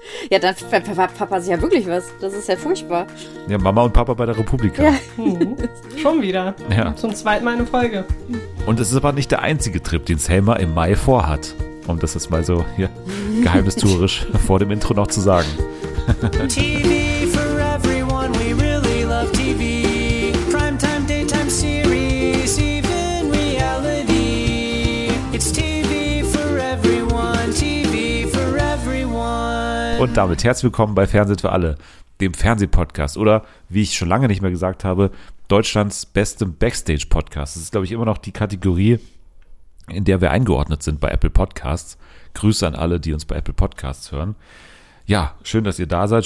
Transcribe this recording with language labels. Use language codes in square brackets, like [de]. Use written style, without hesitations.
[de] Ja, dann verpasst Papa sich ja wirklich was. Das ist ja furchtbar. Ja, Mama und Papa bei der Republika. Ja. Schon wieder. Ja. Zum zweiten Mal eine Folge. Und es ist aber nicht der einzige Trip, den Selma im Mai vorhat. Um das jetzt mal so hier geheimnistourisch vor dem Intro noch zu sagen. [en] TV for everyone, we really love TV. Primetime, daytime series, even reality. It's TV for everyone, TV for everyone. [de] Und damit herzlich willkommen bei Fernsehen für alle, dem Fernsehpodcast oder, wie ich schon lange nicht mehr gesagt habe, Deutschlands bestem Backstage-Podcast. Das ist, glaube ich, immer noch die Kategorie, in der wir eingeordnet sind bei Apple Podcasts. Grüße an alle, die uns bei Apple Podcasts hören. Ja, schön, dass ihr da seid.